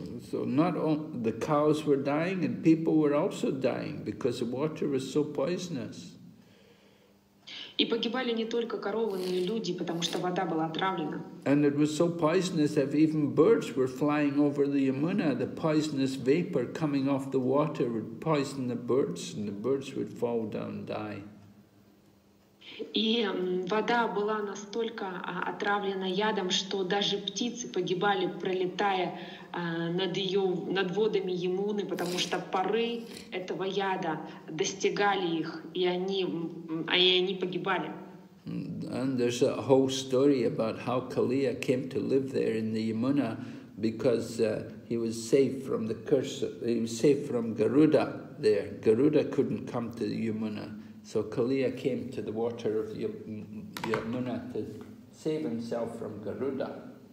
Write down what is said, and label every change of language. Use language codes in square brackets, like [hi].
[en] So not all the cows were dying, and people were also dying because the water was so poisonous. [ru] И погибали не только коровы, но и люди, потому что вода была отравлена. [en] And it was so poisonous that even birds were flying over the Yamuna. The poisonous vapor coming off the water would poison the birds, and the birds would fall down and die. [ru] И вода была настолько отравлена ядом, что даже птицы погибали, пролетая над водами Ямуны, потому что пары этого яда достигали их, и они погибали. [en] And there's a whole story about how Kaliya came to live there in the Yamuna because he was safe from the curse. He was safe from Garuda there. Garuda couldn't come to the Yamuna, so Kaliya came to the water of Yamuna to save himself from Garuda.